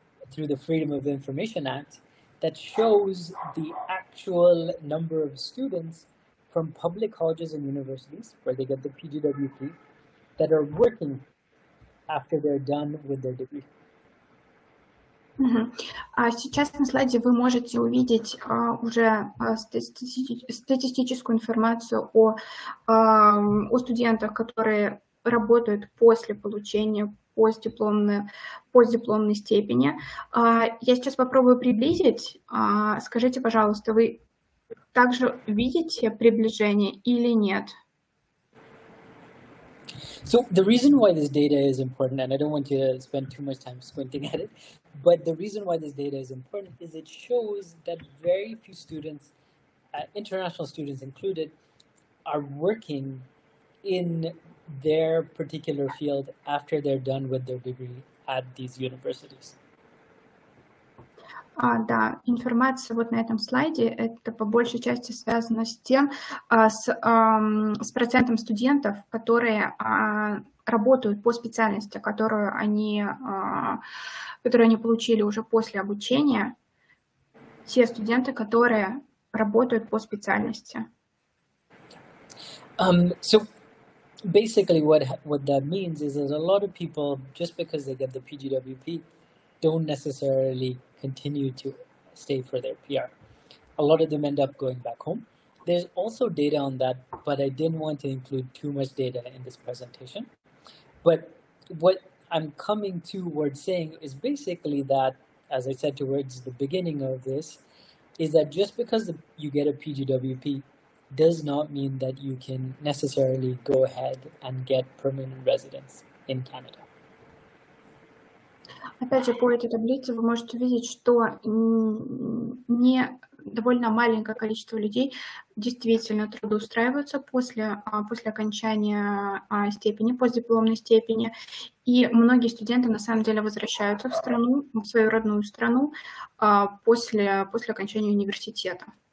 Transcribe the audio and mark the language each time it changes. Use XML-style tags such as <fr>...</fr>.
<en>through the Freedom of Information Act that shows the actual number of students from public colleges and universities where they get the PGWP that are working after they're done with their degree.</en> <ru>Сейчас на слайде вы можете увидеть уже статистическую информацию о студентах, которые работают после получения постдипломной степени. Я сейчас попробую приблизить. Скажите, пожалуйста, вы также видите приближение или нет?</ru> <en>So the reason why this data is important, and I don't want you to spend too much time squinting at it, but the reason why this data is important is it shows that very few students, international students included, are working in their particular field after they're done with their degree at these universities.</en> <ru>Да, информация вот на этом слайде, это по большей части связано с тем, с процентом студентов, которые работают по специальности, которую они получили уже после обучения, те студенты, которые работают по специальности.</ru> <en>So basically what that means is that a lot of people, just because they get the PGWP, don't necessarily continue to stay for their PR. A lot of them end up going back home. There's also data on that, but I didn't want to include too much data in this presentation. But what I'm coming towards saying is basically that, as I said towards the beginning of this, is that just because you get a PGWP does not mean that you can necessarily go ahead and get permanent residence in Canada.</en> <ru>Опять же, по этой таблице вы можете увидеть, что не довольно маленькое количество людей действительно трудоустраиваются после окончания степени, постдипломной степени. И многие студенты на самом деле возвращаются в страну, в свою родную страну после окончания университета.</ru>